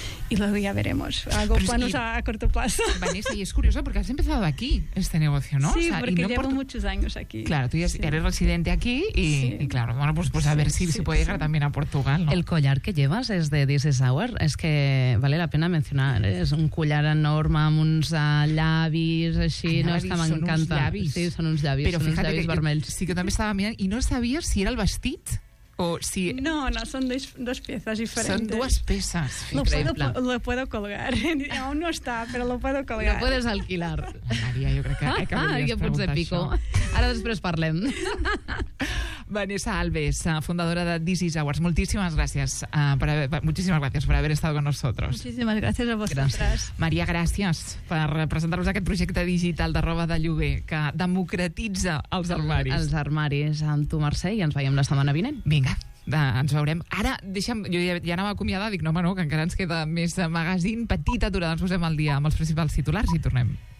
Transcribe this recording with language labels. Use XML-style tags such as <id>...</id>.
<es>Y luego ya veremos. Algo planos a corto plazo. Vanessa, y es curioso porque has empezado aquí este negocio, ¿no? Sí, porque llevo muchos años aquí. Claro, tú ya eres residente aquí y claro, bueno, pues a ver si puede llegar también a Portugal, ¿no? El collar que llevas es de This Is Our, es que vale la pena mencionar. Es un collar enorme,</es> <ca>amb uns llavis, així.</ca> <es>Ay, no, es que m'encanta.</es> <ca>Son uns llavis. Sí, son uns llavis vermells. Sí, que també estava mirant i no sabia si era el vestit.</ca> <es>No, son dos piezas diferentes. Son dos piezas. Lo puedo colgar. Aún no está, pero lo puedo colgar. Lo puedes alquilar. María, yo creo que yo</es> <ca>potser pico.</ca> <es>Ahora después parlem. Vanessa Alves, fundadora de This Is Awards. Muchísimas gracias, muchísimas gracias por haber estado con nosotros. Muchísimas gracias a vosotras. Gracias.</es> <ca>María,</ca> <es>gracias por</es> <ca>presentar-nos aquest projecte digital de roba de lloguer que democratitza els armaris. Els armaris amb tu, Mercè, i ens veiem la setmana vinent. Vinga. Ens veurem. Ara, deixa'm, jo ja anava a acomiadar, dic, no, home, no, que encara ens queda més magazín, petita aturada, ens posem al dia amb els principals titulars i tornem.</ca>